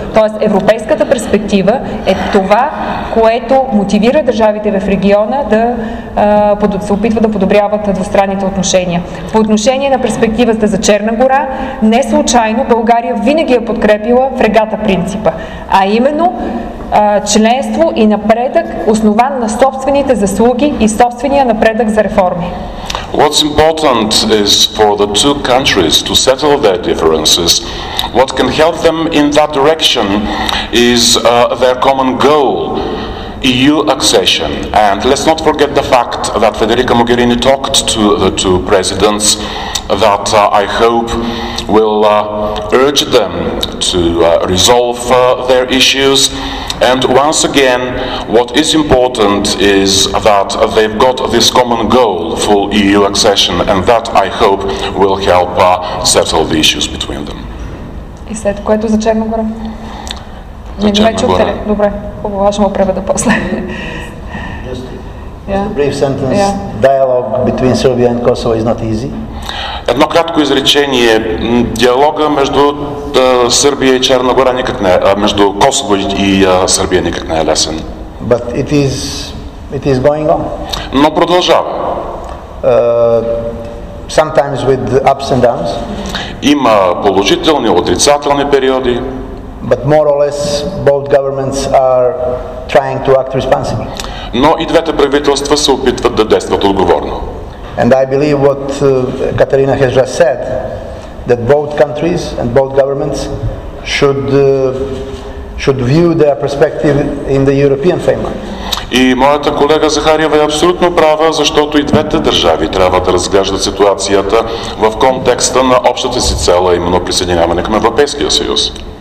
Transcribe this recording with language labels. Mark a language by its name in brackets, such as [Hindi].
[Bulgarian] Тоест, европейската перспектива е това, което мотивира държавите в региона да се опитва да подобряват двустранните отношения. По отношение на перспективата за Черна гора, не случайно България винаги е подкрепила фрегата принципа, а именно членство и напредък, основан на собствените заслуги и собствения напредък за реформи. [English] What's important is for the two countries to settle their differences. What can help them in that direction is their common goal, EU accession. And let's not forget the fact that Federica Mogherini talked to the two presidents that I hope will urge them to resolve their issues. And once again, what is important is that they've got this common goal, full EU accession, and that, I hope, will help settle the issues between them. [Bulgarian] И след което за Черна гора? За Черна гора. Добре, хубаво, аз ще му преведа после. [English] Just a brief sentence. Yeah. Dialogue between Serbia and Kosovo is not easy. [Bulgarian] Едно кратко изречение. Диалога между Сърбия и Черна гора никак не е, между Косово и Сърбия никак не е лесен. [English] But it is going on. [Bulgarian] Но продължава. [English] Sometimes with ups and downs. [Bulgarian] Има положителни, отрицателни периоди. [English] But more or less both governments are trying to act responsibly. [Bulgarian] Но и двете правителства се опитват да действат отговорно. [English] And I believe what Katarina has just said, that both countries and both governments should view their perspective in the European framework. [Bulgarian] И моята колега Захариева е абсолютно права, защото и двете държави трябва да разглеждат ситуацията в контекста на общата си цел, а именно присъединяване към Европейския съюз.